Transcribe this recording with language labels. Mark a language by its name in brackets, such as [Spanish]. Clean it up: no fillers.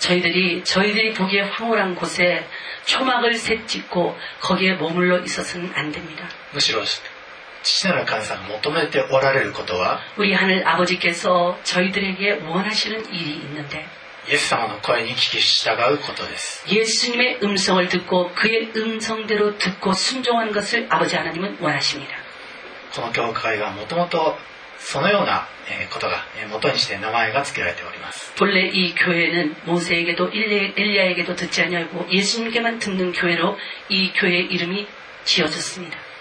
[Korean] 저희들이 보기에 황홀한 곳에 초막을 셋 짓고 거기에 머물러 있어서는 안 됩니다. [Japanese] むしろ父なる神様が求めておられることは。 [Korean] 우리 하늘 아버지께서 저희들에게 원하시는 일이 있는데 [Japanese] イエス様の声に聞き従うことです。 [Korean] 예수님의 음성을 듣고 그의 음성대로 듣고 순종한 것을 아버지 하나님은 원하십니다. [Japanese] このような教会がもともとそのようなことが元にして名前が付けられております。 [Korean] 본래 이 교회는 모세에게도 엘리야에게도 듣지 않냐고 예수님께만 듣는 교회로 이 교회의 이름이 지어졌습니다.